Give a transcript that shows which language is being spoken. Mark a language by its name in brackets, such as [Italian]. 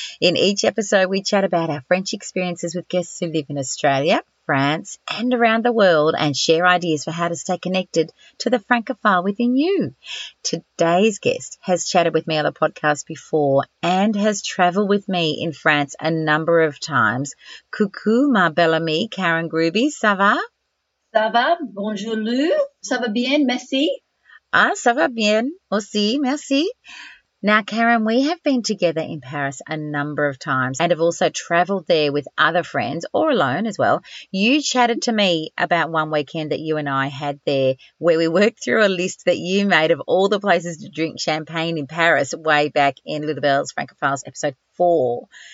[English] In each episode, we chat about our French experiences with guests who live in Australia, France, and around the world, and share ideas for how to stay connected to the Francophile within you. Today's guest has chatted with me on the podcast before and has travelled with me in France a number of times. [French] Coucou, ma belle amie, Karen Gruby, ça va? Ça va, bonjour Lou, ça va bien, merci. Ah, ça va bien, aussi, merci. [English] Now, Karen, we have been together in Paris a number of times and have also travelled there with other friends or alone as well. You chatted to me about one weekend that you and I had there where we worked through a list that you made of all the places to drink champagne in Paris way back in Lulabelle's Francophiles episode 4.